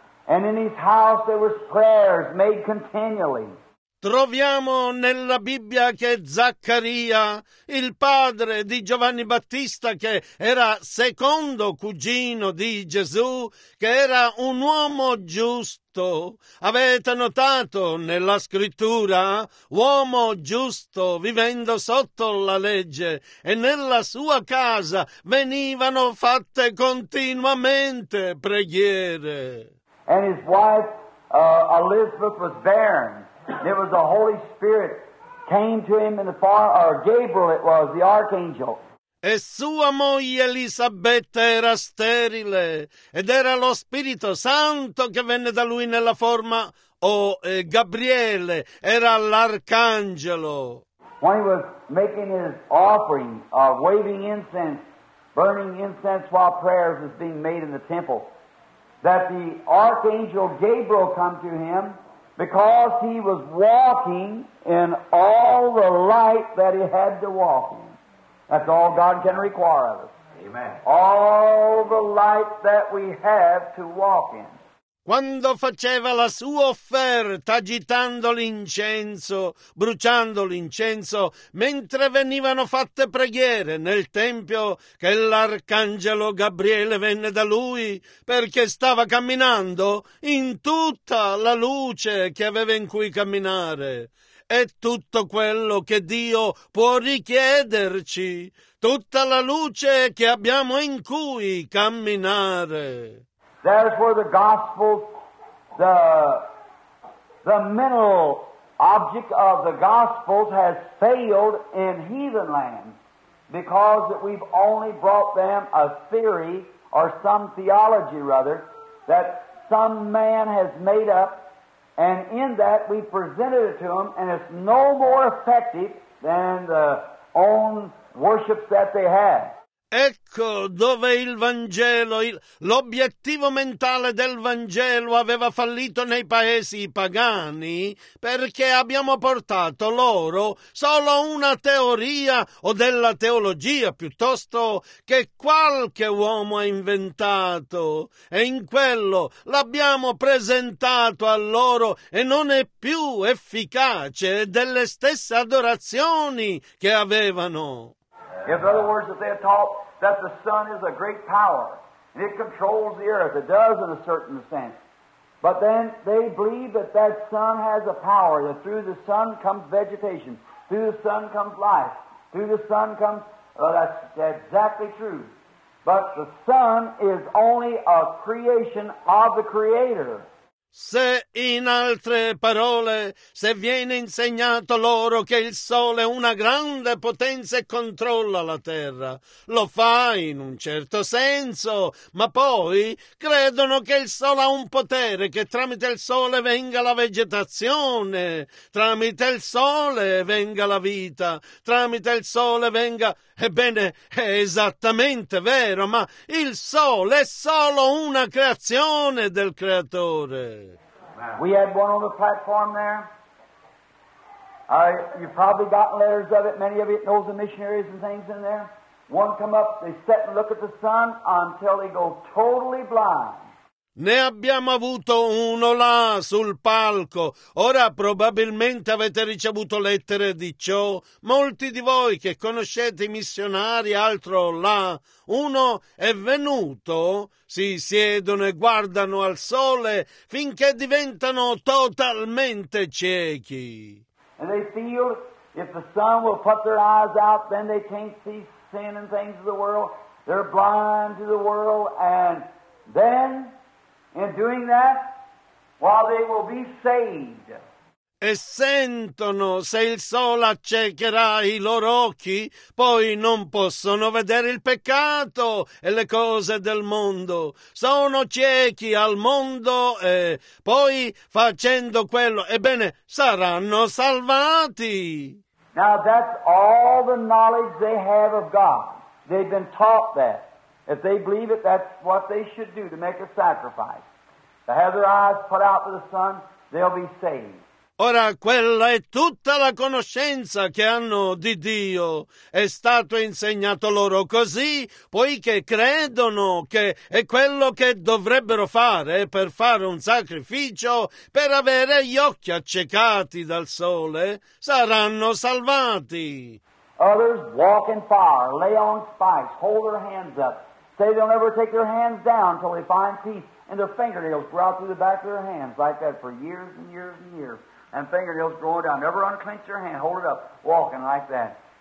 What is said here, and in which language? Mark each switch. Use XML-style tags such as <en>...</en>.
<en>And in his house there was prayers made continually.</en> <it>Troviamo nella Bibbia che Zaccaria, il padre di Giovanni Battista, che era secondo cugino di Gesù, che era un uomo giusto. Avete notato nella scrittura? Uomo giusto, vivendo sotto la legge, e nella sua casa venivano fatte continuamente preghiere.</it> <en>And his wife, Elizabeth was barren. It was the Holy Spirit came to him in the form, or Gabriel it was, the archangel.</en> <it>E sua moglie Elisabetta era sterile, ed era lo Spirito Santo che venne da lui nella forma, Gabriele, era l'arcangelo.</it> <en>When he was making his offering, waving incense, burning incense while prayers was being made in the temple, that the archangel Gabriel come to him, because he was walking in all the light that he had to walk in. That's all God can require of us. Amen. All the light that we have to walk in.</en> <it>Quando faceva la sua offerta, agitando l'incenso, bruciando l'incenso, mentre venivano fatte preghiere nel tempio, che l'arcangelo Gabriele venne da lui, perché stava camminando in tutta la luce che aveva in cui camminare. È tutto quello che Dio può richiederci, tutta la luce che abbiamo in cui camminare.</it> <en>That is where the gospel, the mineral object of the gospels has failed in heathen lands, because that we've only brought them a theory, or some theology rather, that some man has made up, and in that we presented it to them, and it's no more effective than the own worships that they have.</en> <it>Ecco dove il Vangelo, l'obiettivo mentale del Vangelo aveva fallito nei paesi pagani, perché abbiamo portato loro solo una teoria o della teologia piuttosto che qualche uomo ha inventato, e in quello l'abbiamo presentato a loro e non è più efficace delle stesse adorazioni che avevano.</it> <en>In other words, that they had taught that the sun is a great power, and it controls the earth. It does in a certain sense. But then they believe that that sun has a power, that through the sun comes vegetation, through the sun comes life, through the sun comes... Well, that's exactly true. But the sun is only a creation of the Creator.</en> <it>Se in altre parole, se viene insegnato loro che il sole è una grande potenza e controlla la terra, lo fa in un certo senso, ma poi credono che il sole ha un potere, che tramite il sole venga la vegetazione, tramite il sole venga la vita, tramite il sole venga... Ebbene, è esattamente vero, ma il sole è solo una creazione del Creatore.</it> <en>We had one on the platform there. You've probably got letters of it. Many of you know the missionaries and things in there. One come up, they sit and look at the sun until they go totally blind.</en> <it>Ne abbiamo avuto uno là sul palco. Ora probabilmente avete ricevuto lettere di ciò. Molti di voi che conoscete i missionari, altro là, uno è venuto, si siedono e guardano al sole finché diventano totalmente ciechi.</it> <en>And they feel if the sun will put their eyes out, then they can't see sin and things of the world. They're blind to the world, and then in doing that, while they will be saved.</en> <it>E sentono, se il sole accecherà i loro occhi, poi non possono vedere il peccato e le cose del mondo. Sono ciechi al mondo e poi facendo quello, ebbene, saranno salvati.</it> <en>Now that's all the knowledge they have of God. They've been taught that. If they believe it, that's what they should do to make a sacrifice. To have their eyes put out to the sun, they'll be saved.</en> <it>Ora quella è tutta la conoscenza che hanno di Dio. È stato insegnato loro così, poiché credono che è quello che dovrebbero fare per fare un sacrificio, per avere gli occhi accecati dal sole, saranno salvati.</it> <en>Others walk in fire, lay on spikes, hold their hands up. Say they'll never take their hands down until they find peace. And their fingernails grow out through the back of their hands like that for years and years and years. And fingernails growing down. Never unclench your hand. Hold it up. Walking like that.</en>